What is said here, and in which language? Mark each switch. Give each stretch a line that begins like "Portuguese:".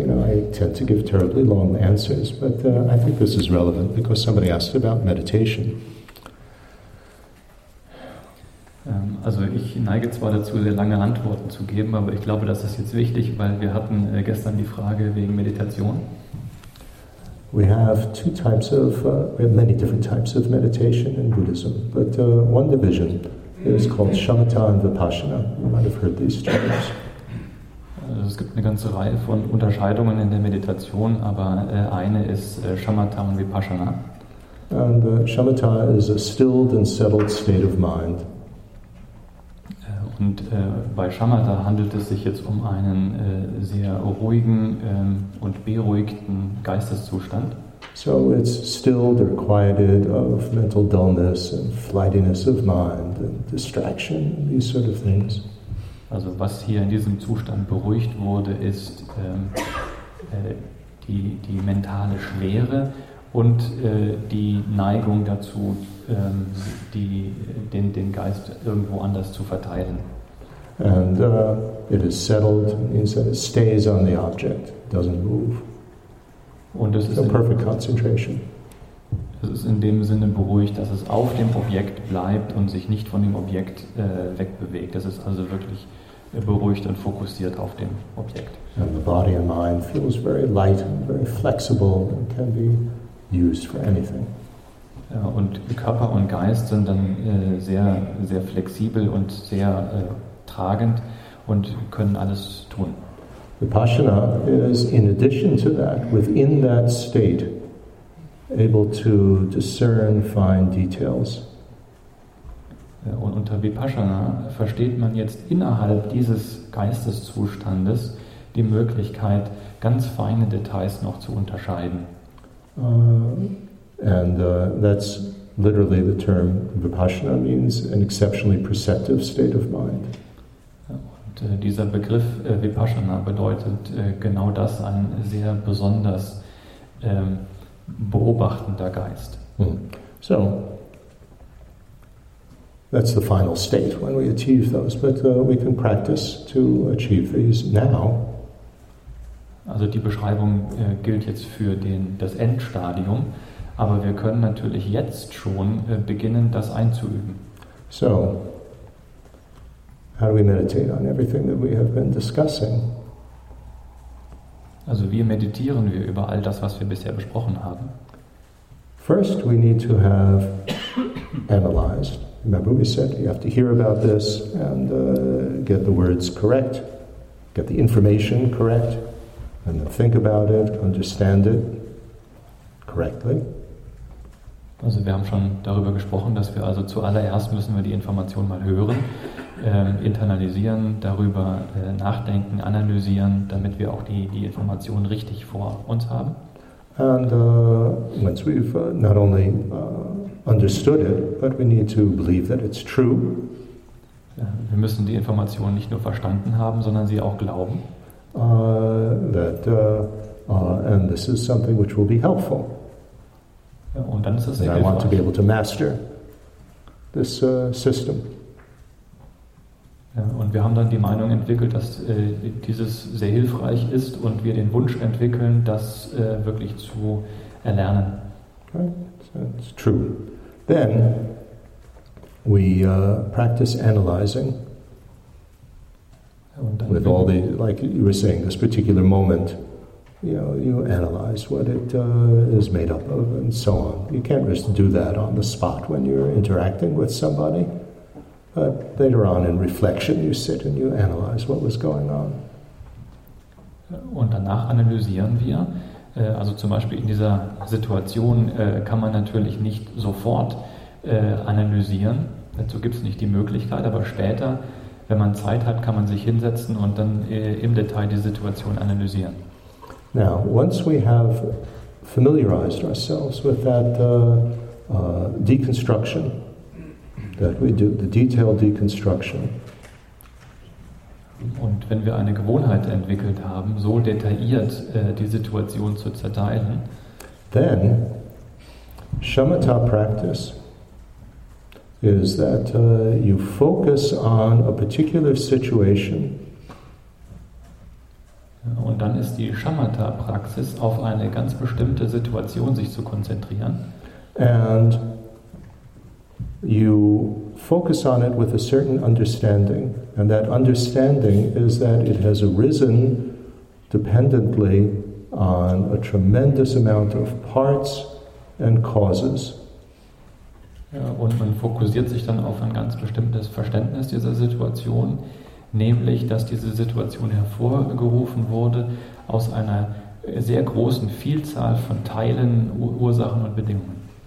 English: You know, I tend to give terribly long answers, but I think this is relevant because somebody asked about meditation.
German: Also ich neige zwar dazu, sehr lange Antworten zu geben, aber ich glaube, das ist jetzt wichtig, weil wir hatten gestern die Frage wegen Meditation.
English: We have two types of, we have many different types of meditation in Buddhism, but one division is called Shamatha and Vipassana. You might have heard these terms.
German: Also es gibt eine ganze Reihe von Unterscheidungen in der Meditation, aber eine ist Shamatha und Vipassana.
English: And Shamatha is a stilled and settled state of mind.
German: Und bei Shamatha handelt es sich jetzt um einen sehr ruhigen und beruhigten Geisteszustand.
English: So it's stilled or quieted of mental dullness and flightiness of mind and distraction, these sort of things.
German: Also was hier in diesem Zustand beruhigt wurde, ist die mentale Schwere und die Neigung dazu, den Geist irgendwo anders zu verteilen.
English: And it is settled, means that it stays on the object, doesn't move.
German: Und es ist
English: a perfect concentration.
German: Es ist in dem Sinne beruhigt, dass es auf dem Objekt bleibt und sich nicht von dem Objekt wegbewegt. Es ist also wirklich beruhigt und fokussiert auf dem Objekt.
English: And the body and mind feels very light and very flexible and can be used for anything.
German: Ja, und Körper und Geist sind dann sehr, sehr flexibel und sehr tragend und können alles tun.
English: Vipassana is in addition to that, within that state, able to discern fine details.
German: Ja, und unter Vipassana versteht man jetzt innerhalb dieses Geisteszustandes die Möglichkeit, ganz feine Details noch zu unterscheiden.
English: That's literally the term. Vipassana means an exceptionally perceptive state of mind.
German: Und dieser Begriff Vipassana bedeutet genau das, ein sehr besonders beobachtender Geist.
English: So, that's the final state when we achieve those, but we can practice to achieve these now.
German: Also die Beschreibung gilt jetzt für das Endstadium. Aber wir können natürlich jetzt schon beginnen, das einzuüben.
English: So, how do we meditate on everything that we have been discussing?
German: Also, wie meditieren wir über all das, was wir bisher besprochen haben?
English: First, we need to have analyzed. Remember, we said you have to hear about this and get the words correct, get the information correct, and then think about it, understand it correctly.
German: Also wir haben schon darüber gesprochen, dass wir also zuallererst müssen wir die Information mal hören, internalisieren, darüber nachdenken, analysieren, damit wir auch die Information richtig vor uns haben.
English: And once we've not only understood it, but we need to believe that it's true.
German: Wir müssen die Information nicht nur verstanden haben, sondern sie auch glauben.
English: And this is something which will be helpful.
German: Und dann ist es
English: I want to be able to master this system.
German: Ja, und wir haben dann die Meinung entwickelt, dass dieses sehr hilfreich ist und wir den Wunsch entwickeln, das wirklich zu erlernen.
English: Right, that's true. Then we practice analyzing. with all the, like you were saying, this particular moment, you know, you analyze what it is made up of and so on. You can't just do that on the spot when you're interacting with somebody. But later on in reflection, you sit and you analyze what was going on.
German: Und danach analysieren wir. Also zum Beispiel in dieser Situation kann man natürlich nicht sofort analysieren. Dazu gibt es nicht die Möglichkeit, aber später, wenn man Zeit hat, kann man sich hinsetzen und dann im Detail die Situation analysieren.
English: Now, once we have familiarized ourselves with that deconstruction, that we do the detailed deconstruction.
German: Und wenn wir eine Gewohnheit entwickelt haben, so detailliert die Situation zu zerteilen,
English: then shamatha practice is that you focus on a particular situation.
German: Und dann ist die shamatha Praxis auf eine ganz bestimmte Situation sich zu konzentrieren.
English: And you focus on it with a certain understanding, and that understanding is that it has arisen dependently on a tremendous amount of parts and causes.
German: Ja, und man fokussiert sich dann auf ein ganz bestimmtes Verständnis dieser Situation, nämlich, dass diese Situation hervorgerufen wurde aus einer sehr großen Vielzahl von Teilen, Ursachen und Bedingungen.